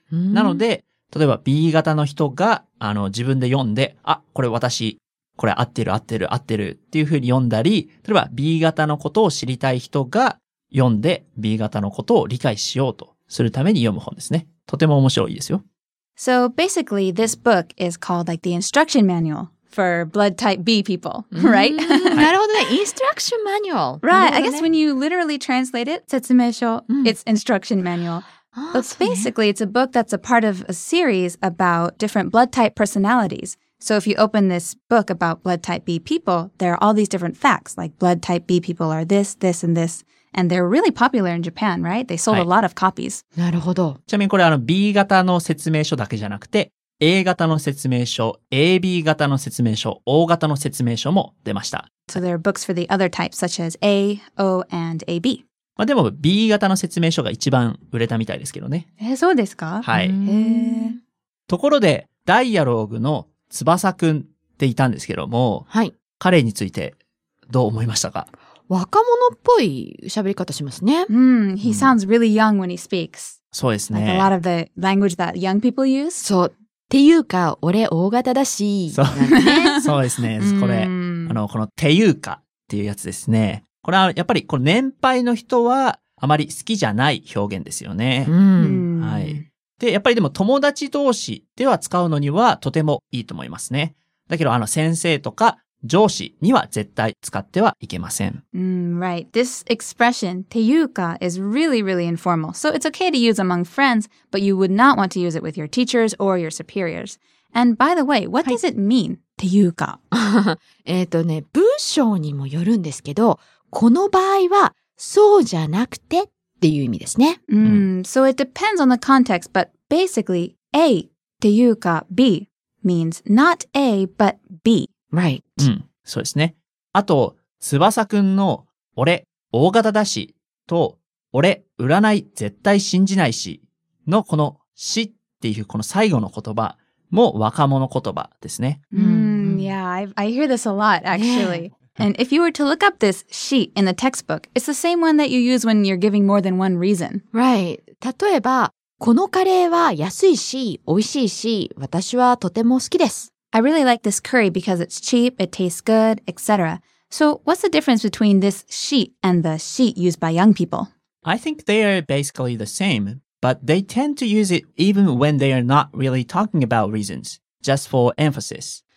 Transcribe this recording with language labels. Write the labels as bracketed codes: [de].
[ja] なので、例えば B 型の人が自分で読んで、あ、これ私、これ合ってる合ってる合ってるっていうふうに読んだり、例えば B 型のことを知りたい人が読んで B 型のことを理解しようとするために読む本ですね。とても面白いですよ。 [en] So basically, this book is called like the instruction manual. For blood type B people, right? [ja] なるほどね。 [en] Instruction manual. Right. I guess when you literally translate it, 説明書、it's instruction manual. But basically, it's a book that's a part of a series about different blood type personalities. So if you open this book about blood type B people, there are all these different facts, like blood type B people are this, this, and this. And they're really popular in Japan, right? They sold、はい、a lot of copies. [ja] なるほど。ちなみにこれ B 型の説明書だけじゃなくて、A 型の説明書、AB 型の説明書、O 型の説明書も出ました。 [en] So there are books for the other types, such as A, O, and AB. [ja] まあでも B 型の説明書が一番売れたみたいですけどね。そうですか？はい。へー。ところで、ダイアローグの翼くんっていたんですけども、はい。彼についてどう思いましたか？若者っぽい喋り方しますね。 [en] He sounds really young when he speaks. [ja] そうですね。 [en] Like a lot of the language that young people use. [ja] そう。っていうか、俺、大型だし。そう、ね、そうですね。これ、このっていうかっていうやつですね。これは、やっぱり、この年配の人は、あまり好きじゃない表現ですよね。はい。で、やっぱりでも、友達同士では使うのには、とてもいいと思いますね。だけど、先生とか、上司には絶対使ってはいけません。 [en] Right. This expression, っていうか, is really, really informal. So it's okay to use among friends, but you would not want to use it with your teachers or your superiors. And by the way, what、はい、does it mean, っていうか? [ja] ね、文章にもよるんですけど、この場合はそうじゃなくてっていう意味ですね。 [en] So it depends on the context, but basically, A, っていうか, B, means not A, but B. Right. [ja] うん、そうですね。あと、翼くんの、俺、大型だし、と、俺、占い、絶対信じないし、の、この、しっていう、この最後の言葉も、若者言葉ですね。 [en] Yeah, I hear this a lot, actually. And if you were to look up this she in the textbook, it's the same one that you use when you're giving more than one reason. Right. [ja] 例えば、このカレーは安いし、美味しいし、私はとても好きです。 [en] I really like this curry because it's cheap, it tastes good, etc. So, what's the difference between this she and the she used by young people? I think they are basically the same, but they tend to use it even when they are not really talking about reasons, just for emphasis.